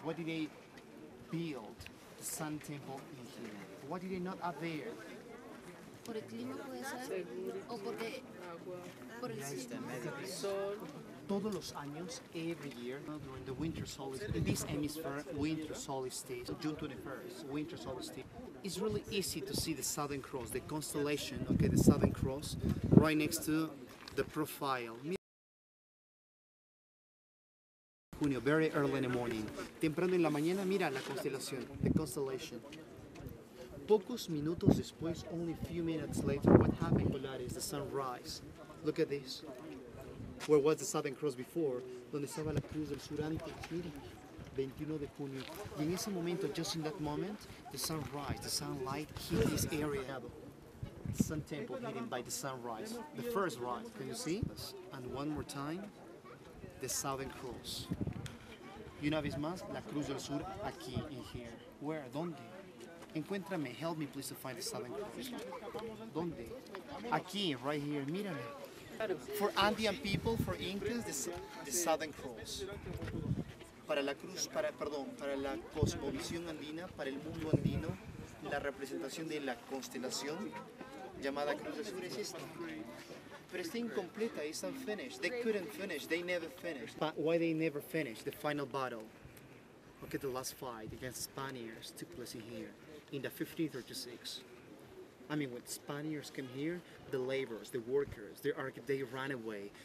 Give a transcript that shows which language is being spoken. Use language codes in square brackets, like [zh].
[en] Why did they build the sun temple in here? Why did they not up there? [es] Por el clima puede ser, o porque, por el sitio. Todos los años, [en] every year, during the winter solstice, in this hemisphere, winter solstice, June 21st, winter solstice, it's really easy to see the Southern Cross, the constellation, okay, the Southern Cross, right next to the profile. [es] Junio, [en] very early in the morning. [es] Temprano en la mañana, mira la constelación, [en] the constellation. [es] Pocos minutos después, [en] only a few minutes later, what happened, Polaris, the sunrise. Look at this. Where was the Southern Cross before? [es] Donde estaba la Cruz del Sur antes, miren, 21 de junio. Y en ese momento, [en] just in that moment, the sunrise, the sunlight hit this area. The sun temple hidden by the sunrise, the first rise, can you see? And one more time, the Southern Cross. [es] Y una vez más, la Cruz del Sur aquí, [en] in here. Where? [es] Donde? Encuéntrame, [en] help me please to find the Southern Cross. [es] Donde? Aquí, [en] right here, [es] mírame. [en] For Andean people, for Incas, the Southern Cross. [es] Para la cruz, para, perdón, para la cosmovisión andina, para el mundo andino, la representación de la constelación llamada Cruz del Sur es esta. Pero está incompleta, [en] it's unfinished. They couldn't finish, they never finished. But why they never finished? The final battle. Okay, the last fight against Spaniards took place in here, in the 1536. I mean, when Spaniards came here, the laborers, the workers, they ran away.